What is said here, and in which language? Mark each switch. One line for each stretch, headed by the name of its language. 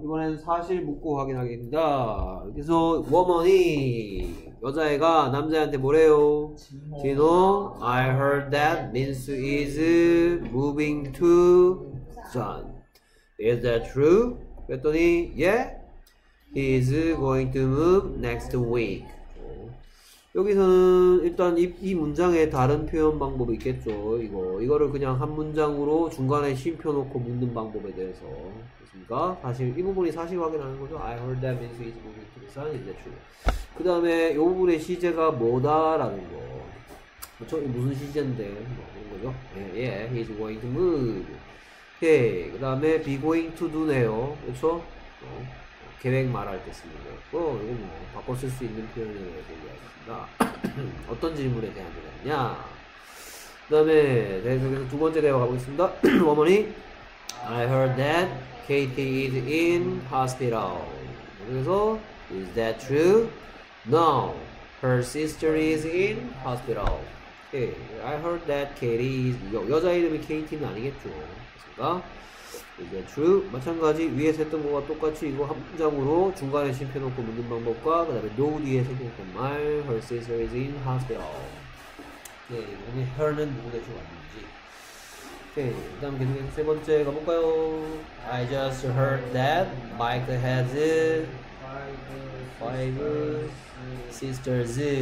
Korean: 이번엔 사실 묻고 확인하겠습니다. 그래서 woman이 여자애가 남자애한테 뭐래요?
English: 진호, I heard that Minsu is moving to Busan. Is that true?
Korean: 그랬더니
English: yeah, he is going to move next week.
Korean: 여기서는 일단 이 문장의 다른 표현 방법이 있겠죠. 이거를 그냥 한 문장으로 중간에 쉼표 놓고 묻는 방법에 대해서. 그렇습니까? 사실 이 부분이 사실 확인하는 거죠.
English: I heard that Minsu is moving to Busan. Is that true?
Korean: 그 다음에 이 부분의 시제가 뭐다라는 거. 그쵸? 무슨 시제인데 뭐 그런 거죠.
English: 예, yeah, he is going to move.
Korean: 오케이. 그 다음에
English: be going to do
Korean: 네요. 그쵸? 계획 말할 때 쓰는 거였고, 이거 뭐, 바꿔 쓸 수 있는 표현을 얘기하겠습니다. 어떤 질문에 대한 거였냐. 그 다음에, 계속해서 두 번째 대화 가보겠습니다.
English: 어머니, I heard that KT is in hospital.
Korean: 그래서,
English: is that true? No, her sister is in hospital. Okay. I heard that KT is,
Korean: 여자 이름이 KT는 아니겠죠. 그렇습니까?
English: Is that true?
Korean: 마찬가지 위에서 했던 것과 똑같이 이거 한 문장으로 중간에 쉼표 놓고 묻는 방법과 그 다음에 no 뒤에 생겼던 말
English: Her sister is in hospital.
Korean: 네, 이번에 her는 누구 대충 왔는지. 오케이. 다음 계속해서 세 번째 가볼까요?
English: I just heard that Mike has five sisters.